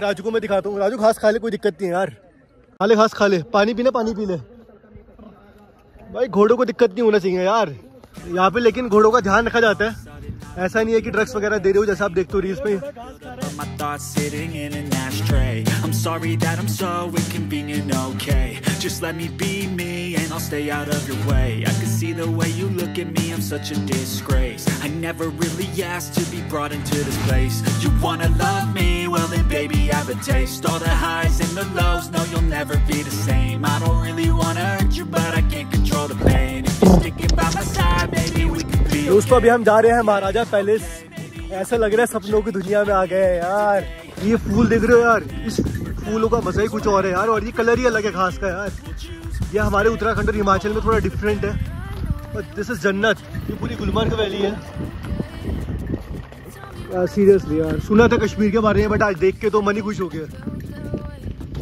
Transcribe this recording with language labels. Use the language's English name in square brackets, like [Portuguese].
[Hindi] राजू को मैं दिखाता हूँ, राजू घास खा ले, कोई दिक्कत नहीं है यार, खा ले घास खा ले, पानी पीना पानी पी ले भाई, घोड़ों को दिक्कत नहीं होना चाहिए यार यहाँ पे। लेकिन घोड़ों का ध्यान रखा जाता है, ऐसा नहीं है कि ड्रग्स वगैरह दे रहे हो जैसा आप देखते हो रील्स पे। [English] Just let me be me and I'll stay out of your way. I can see the way you look at me, I'm such a disgrace. I never really asked to be brought into this place. You wanna love me, well then baby I have a taste. All the highs and the lows, no you'll never be the same. I don't really wanna hurt you but I can't control the pain. If you're sticking by my side, baby we can be okay. [Hindi] दोस्तों अभी हम जा रहे हैं महाराजा palace, ऐसा लग रहा है सपनों की दुनिया में आ गए हैं यार। ये फूल देख रहे हो यार, इस फूलों का मजा ही कुछ और है यार, और ये कलर ही अलग है घास का यार। ये हमारे उत्तराखंड और हिमाचल में थोड़ा डिफरेंट है, [English] but this is [Hindi] जन्नत। ये पूरी गुलमर्ग वैली है यार, सीरियसली यार, सुना था कश्मीर के बारे में बट आज देख के तो मन ही खुश हो गया।